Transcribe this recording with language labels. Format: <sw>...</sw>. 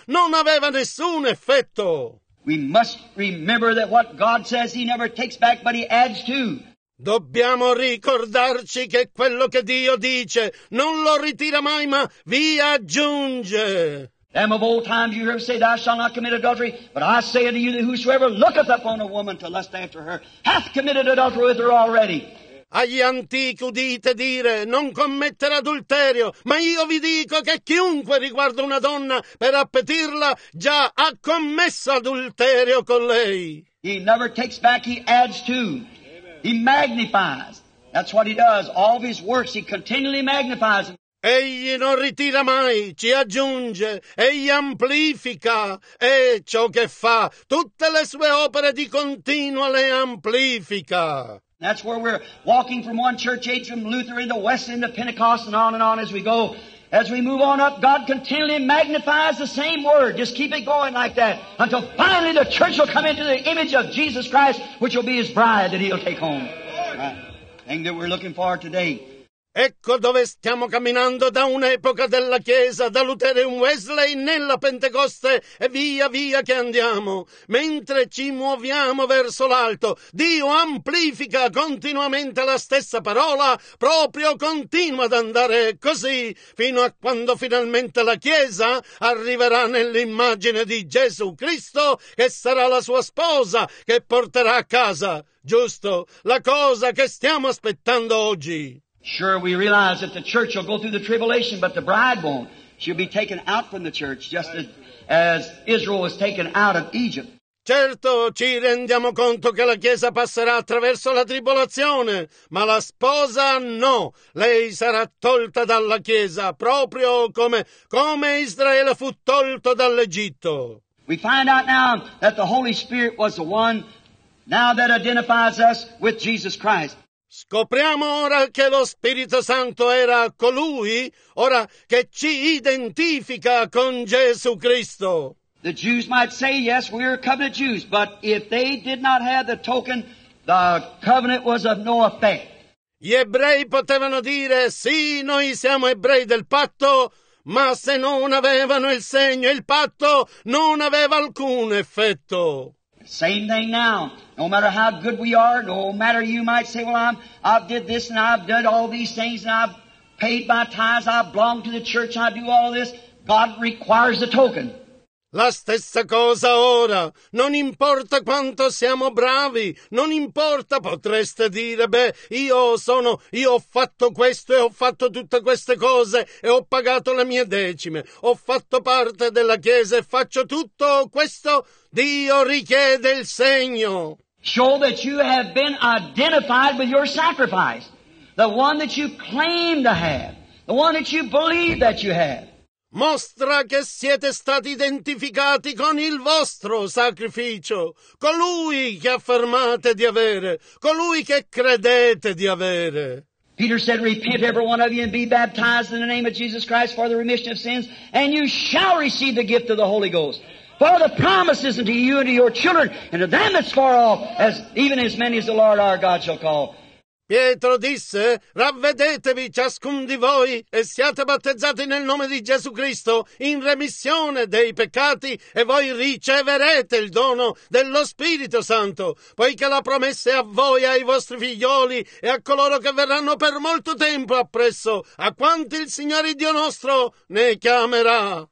<it>Non aveva nessun effetto.</it> <en>We must remember that what God says he never takes back, but he adds to.</en> <it>Dobbiamo ricordarci che quello che Dio dice non lo ritira mai, ma vi aggiunge.</it> <en>Them of old times you heard say, thou shalt not commit adultery, but I say unto you that whosoever looketh upon a woman to lust after her hath committed adultery with her already.</en> <it>Agli antichi udite dire, non commettere adulterio, ma io vi dico che chiunque riguarda una donna per appetirla già ha commesso adulterio con lei.</it> <en>He never takes back, he adds to. He magnifies. That's what he does. All of his works, he continually magnifies.</en> <it>Egli non ritira mai, ci aggiunge, egli amplifica, e ciò che fa, tutte le sue opere di continuo le amplifica.</it> <en>That's where we're walking from one church age, from Lutheran to Wesleyan to Pentecost, and on as we go. As we move on up, God continually magnifies the same word. Just keep it going like that until finally the church will come into the image of Jesus Christ, which will be his bride that he'll take home. Right. Thing that we're looking for today.</en> <it>Ecco dove stiamo camminando da un'epoca della Chiesa, da Lutheran Wesley nella Pentecoste e via via che andiamo. Mentre ci muoviamo verso l'alto, Dio amplifica continuamente la stessa parola, proprio continua ad andare così, fino a quando finalmente la Chiesa arriverà nell'immagine di Gesù Cristo, che sarà la sua sposa, che porterà a casa, giusto, la cosa che stiamo aspettando oggi.</it> <en>Sure, we realize that the church will go through the tribulation, but the bride won't. She'll be taken out from the church, just as Israel was taken out of Egypt.</en> <it>Certo, ci rendiamo conto che la Chiesa passerà attraverso la tribolazione, ma la sposa no. Lei sarà tolta dalla Chiesa, proprio come Israele fu tolto dall'Egitto.</it> <en>We find out now that the Holy Spirit was the one now that identifies us with Jesus Christ.</en> <it>Scopriamo ora che lo Spirito Santo era colui, ora che ci identifica con Gesù Cristo.</it> <en>The Jews might say, yes, we are covenant Jews, but if they did not have the token, the covenant was of no effect.</en> <it>Gli ebrei potevano dire, sì, noi siamo ebrei del patto, ma se non avevano il segno, il patto non aveva alcun effetto.</it> <en>Same thing now. No matter how good we are, no matter you might say, well, I've did this and I've done all these things and I've paid my tithes, I belong to the church, I do all this, God requires a token.</en> <it>La stessa cosa ora. Non importa quanto siamo bravi, non importa, potreste dire, io ho fatto questo e ho fatto tutte queste cose e ho pagato le mie decime, ho fatto parte della Chiesa e faccio tutto questo, Dio richiede il segno.</it> <en>Show that you have been identified with your sacrifice. the one that you claim to have, the one that you believe that you have.</en> <it>Mostra che siete stati identificati con il vostro sacrificio, colui che affermate di avere, colui che credete di avere.</it> <en>Peter said, repent every one of you and be baptized in the name of Jesus Christ for the remission of sins, and you shall receive the gift of the Holy Ghost. For the promise is unto you and to your children, and to them that's far off, as even as many as the Lord our God shall call.</en> <it>Pietro disse, ravvedetevi ciascun di voi e siate battezzati nel nome di Gesù Cristo in remissione dei peccati e voi riceverete il dono dello Spirito Santo, poiché la promessa è a voi, ai vostri figlioli e a coloro che verranno per molto tempo appresso, a quanti il Signore Dio nostro ne chiamerà.</it>